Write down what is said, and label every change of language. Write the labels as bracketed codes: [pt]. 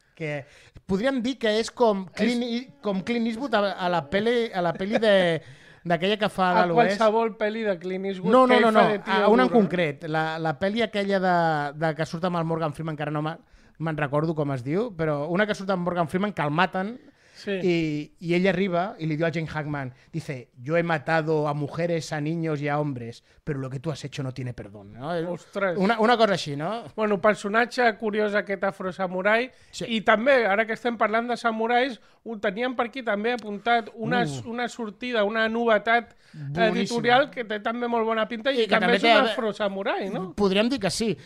[ca] Que podríem dir que és com Clint Eastwood a la peli, d'aquella que fa de l'Oest. A qualsevol peli de Clint Eastwood. No, no, no, no, a una en concret. La peli aquella de que surt amb el Morgan Freeman, encara no me'n recordo com es diu, però una que surt amb Morgan Freeman, que el maten, sí. I ell arriba i li diu a Gene Hackman, [es] dice, yo he matado a mujeres, a niños y a hombres, pero lo que tú has hecho no tiene perdón. [ca] No? Ostres. Una cosa així, no? Bueno, personatge curiós aquest afro-samurai. Sí. I també, ara que estem parlant de samurais, ho teníem per aquí també apuntat una sortida, una novetat Boníssima. Editorial que té també molt bona pinta i que també és un afro-samurai, no? Podríem dir que sí.